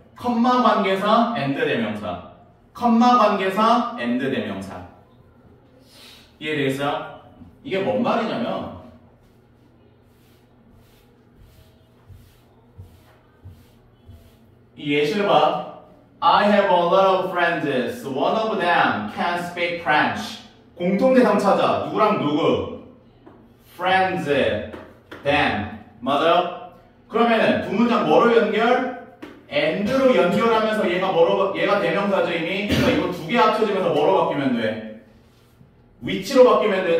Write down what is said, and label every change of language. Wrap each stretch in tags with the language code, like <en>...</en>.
<ko>콤마 관계사 and 대명사. 콤마 관계사 and 대명사. 이해되겠어요? 이게 뭔 말이냐면 이 예시를 봐.</ko> <en>I have a lot of friends. One of them can speak French.</en> <ko>공통 대상자 누구랑 누구?</ko> <en>Friends. Them. 맞아요?</en> <ko>그러면은 두 문장 뭐로 연결? And로 연결하면서 얘가 뭐로 얘가 대명사죠 이미. 그러니까 이거 두 개 합쳐지면서 뭐로 바뀌면 돼? 위치로 바뀌면 돼.</ko>